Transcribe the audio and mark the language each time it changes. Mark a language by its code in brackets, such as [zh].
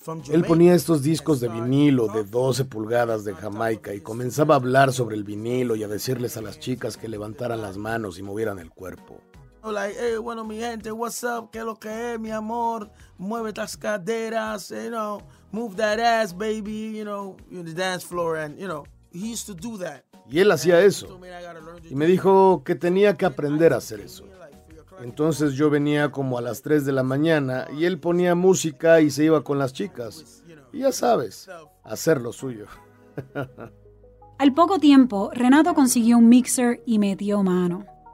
[es] Él ponía estos discos de vinilo de 12 pulgadas de Jamaica y comenzaba a hablar sobre el vinilo y a decirles a las chicas que levantaran las manos y movieran el cuerpo. [en] Like, hey, [es] bueno, mi gente, [en] what's up? [es] ¿Qué es lo que es, mi amor? Mueve las caderas, [en] you know, move that ass, baby, you know, in the dance floor, and, you know, he used to do that. [es] Y él hacía eso. Y me dijo que tenía que aprender a hacer eso. Entonces yo venía como a las 3 de la mañana y él ponía música y se iba con las chicas. Y ya sabes, hacer lo suyo. Al poco tiempo, Renato consiguió un mixer y metió mano.